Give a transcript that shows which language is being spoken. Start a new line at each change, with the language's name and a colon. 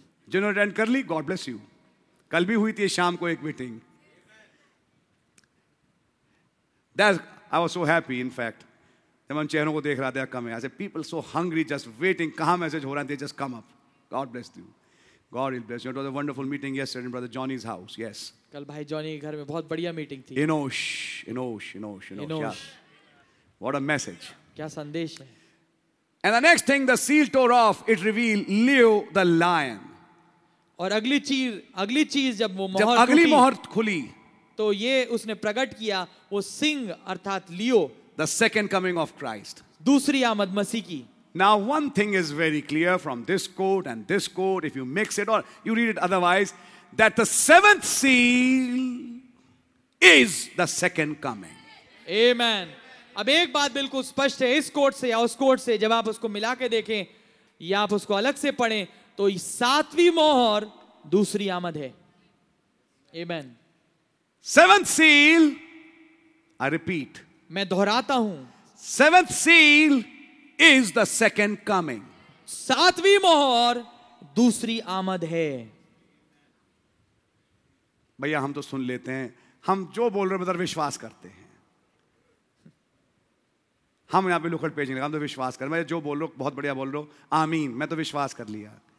Hindi: जिन्होंने अटेंड कर ली,
English: God bless you.
Hindi: कल भी हुई थी शाम को एक meeting.
English: That I was so happy. In fact
Hindi: जब हम चेहरों को देख रहा था कम है,
English: I said people so hungry just waiting,
Hindi: कहां मैसेज हो रहा था,
English: Just come up. God bless you. God will bless you. It was a wonderful meeting yesterday in Brother Johnny's house. Yes.
Hindi: कल भाई जॉनी के घर में बहुत बढ़िया मीटिंग थी.
English: Enosh, Enosh, Enosh, Enosh. Yeah. What a message.
Hindi: क्या संदेश है.
English: And the next thing, the seal tore off. It revealed Leo the lion.
Hindi: और अगली चीज जब वो मोहर, जब अगली मोहर खुली, तो ये उसने प्रकट किया वो सिंह अर्थात लियो.
English: The second coming of Christ.
Hindi: दूसरी आमद मसीह की.
English: Now one thing is very clear from this quote, if you mix it or you read it otherwise, that the seventh seal is the second coming. Amen.
Hindi: अब एक बात बिल्कुल स्पष्ट है इस कोट से या उस कोट से, जब आप उसको मिला के देखें या आप उसको अलग से पढ़ें, तो सातवीं मोहर दूसरी आमद है.
English: Amen. Seventh seal, I repeat.
Hindi: मैं दोहराता हूं.
English: Seventh seal is the second coming.
Hindi: सातवीं मोहर दूसरी आमद है. भैया हम तो सुन लेते हैं, हम जो बोल रहे हैं उधर विश्वास करते हैं. हम यहां पे लुखड़ पेज लगा, हम तो विश्वास कर, मैं जो बोल रहा हूं बहुत बढ़िया बोल रहा हूं, आमीन, मैं तो विश्वास कर लिया.